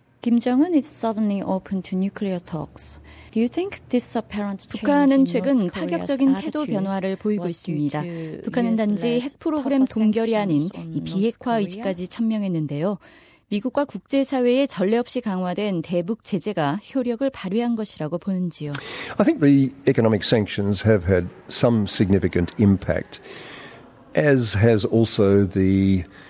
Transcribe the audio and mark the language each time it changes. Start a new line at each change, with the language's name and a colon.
English: Kim Jong-un is suddenly open to nuclear talks. Do you think this apparent change
Korean: 북한은 최근 파격적인 태도 변화를 보이고 있습니다. 북한은 단지 핵 프로그램 동결이 아닌 이 비핵화 의지까지 천명했는데요. 미국과 국제사회의 전례 없이 강화된 대북 제재가 효력을 발휘한 것이라고 보는지요.
English: I think the economic sanctions have had some significant impact, as has also the